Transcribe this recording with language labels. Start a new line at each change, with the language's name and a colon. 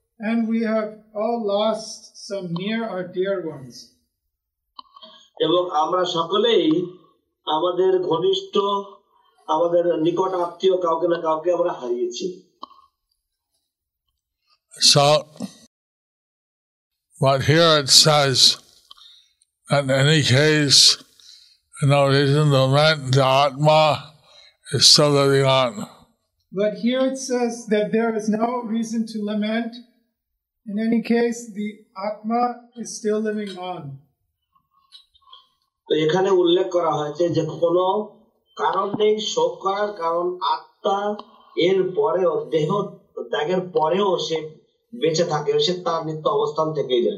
English: And we have all lost some near or dear ones.
Bangla: এবং আমরা সকলেই আমাদের ঘনিষ্ঠ, আমাদের নিকট আত্মীয় কাউকে না কাউকে আমরা হারিয়েছি।
English: So, but here it says, in any case, no reason to lament, the Atma is still living on. But here it says that there is no reason to lament, in any case, the Atma is still living on.
Bangla: তো এখানে উল্লেখ করা হয়েছে যে কোন কারণ নেই শোক করার, কারণ আত্মা এর পরেও, দেহ ত্যাগের পরেও সে বেঁচে থাকে, সে তার নিত্য অবস্থান থেকে